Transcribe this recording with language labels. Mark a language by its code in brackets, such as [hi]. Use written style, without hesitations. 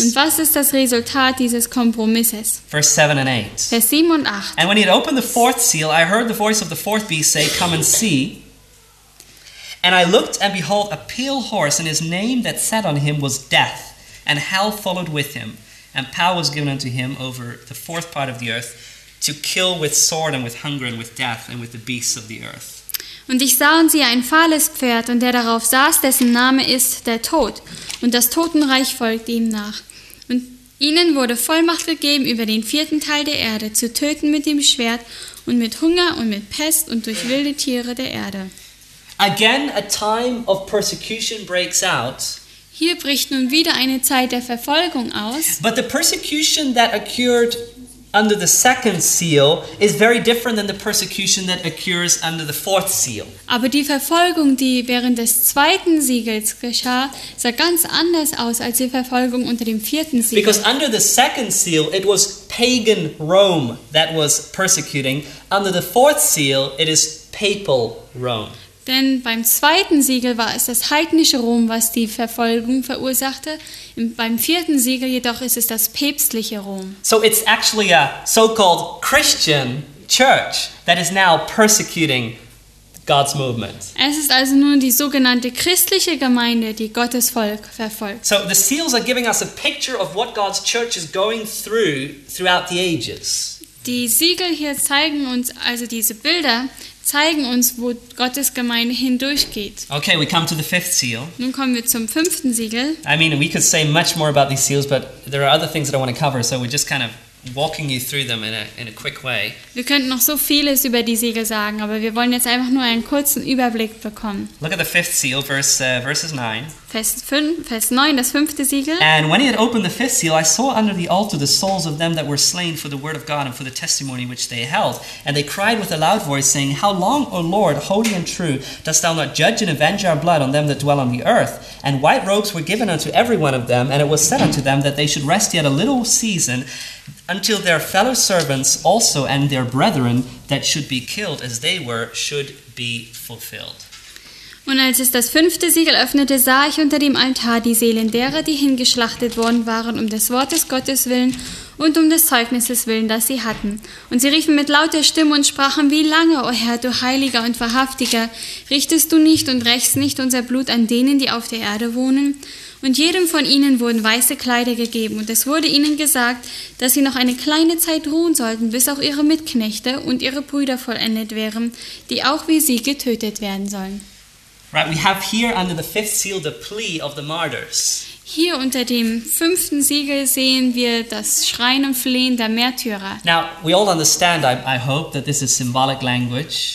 [de] Und was ist das Resultat dieses Kompromisses? [en] Verse 7 and 8. [de] Vers 7 und 8. [en] And when he had opened the fourth seal, I heard the voice of the fourth beast say, "Come and see." And I looked, and behold, a pale horse, and his name that sat on him was Death, and hell followed with him, and power was given unto him over the fourth part of the earth, to kill with sword and with hunger and with death and with the beasts of the earth. [de] Und ich sah und sie ein fahles Pferd, und der darauf saß, dessen Name ist der Tod, und das Totenreich folgte ihm nach. Und ihnen wurde Vollmacht gegeben, über den vierten Teil der Erde zu töten mit dem Schwert und mit Hunger und mit Pest und durch wilde Tiere der Erde. [en] Again a time of persecution breaks out. [de] Hier bricht nun wieder eine Zeit der Verfolgung aus. [en] But the persecution that occurred under the second seal is very different than the persecution that occurs under the fourth seal. [de] Aber die Verfolgung, die während des zweiten Siegels geschah, sah ganz anders aus als die Verfolgung unter dem vierten Siegel. [en] Because under the second seal it was pagan Rome that was persecuting. Under the fourth seal it is papal Rome. [de] Denn beim zweiten Siegel war es das heidnische Rom, was die Verfolgung verursachte. Beim vierten Siegel jedoch ist es das päpstliche Rom. [en] So it's actually a so-called Christian church that is now persecuting God's movement. [de] Es ist also nun die sogenannte christliche Gemeinde, die Gottes Volk verfolgt. [en] So the seals are giving us a picture of what God's church is going through throughout the ages. [de] Die Siegel hier zeigen uns also diese Bilder zeigen uns, wo Gottes Gemeinde hindurchgeht. [en] Okay, we come to the fifth seal. [de] Nun kommen wir zum fünften Siegel. [en] I mean, we could say much more about these seals, but there are other things that I want to cover, so we're just kind of walking you through them in a quick way. [de] Wir könnten noch so vieles über die Siegel sagen, aber wir wollen jetzt einfach nur einen kurzen Überblick bekommen. [en] Look at the fifth seal, verses 9. [de] Vers 9, das fünfte Siegel. [en] And when he had opened the fifth seal, I saw under the altar the souls of them that were slain for the word of God and for the testimony which they held. And they cried with a loud voice, saying, How long, O Lord, holy and true, dost thou not judge and avenge our blood on them that dwell on the earth? And white robes were given unto every one of them, and it was said unto them that they should rest yet a little season, until their fellow servants also and their brethren that should be killed as they were should be fulfilled. [de] Und als es das fünfte Siegel öffnete, sah ich unter dem Altar die Seelen derer, die hingeschlachtet worden waren, um des Wortes Gottes willen und um des Zeugnisses willen, das sie hatten. Und sie riefen mit lauter Stimme und sprachen, Wie lange, o Herr, du Heiliger und Wahrhaftiger, richtest du nicht und rächst nicht unser Blut an denen, die auf der Erde wohnen? Und jedem von ihnen wurden weiße Kleider gegeben, und es wurde ihnen gesagt, dass sie noch eine kleine Zeit ruhen sollten, bis auch ihre Mitknechte und ihre Brüder vollendet wären, die auch wie sie getötet werden sollen. [en] Right, we have here under the fifth seal the plea of the martyrs. [de] Hier unter dem fünften Siegel sehen wir das Schreien und Flehen der Märtyrer. [en] Now, we all understand, I hope, that this is symbolic language.